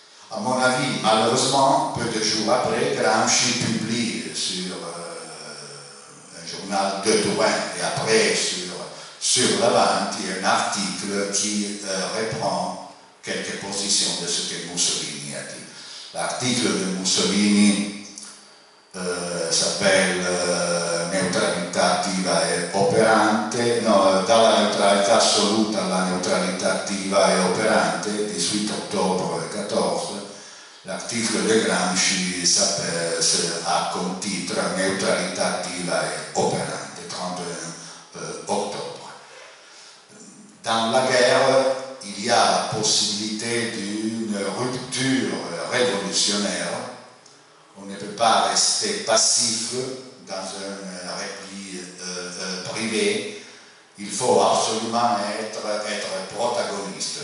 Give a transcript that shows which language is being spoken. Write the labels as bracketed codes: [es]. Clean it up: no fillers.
[fr] À mon avis, malheureusement, peu de jours après, Gramsci publie sur un journal de Touraine et après sur l'Avanti, un article qui reprend quelques positions de ce que Mussolini a dit. L'article de Mussolini s'appelle [it] neutralità attiva e operante, no, dalla neutralità assoluta alla neutralità attiva e operante, 18 ottobre 14, l'articolo di Gramsci ha come titolo neutralità attiva e operante, 31 ottobre. [fr] Dans la guerre, il y a la possibilité d'une rupture révolutionnaire. On ne peut pas rester passif dans un repli privé. Il faut absolument être protagoniste.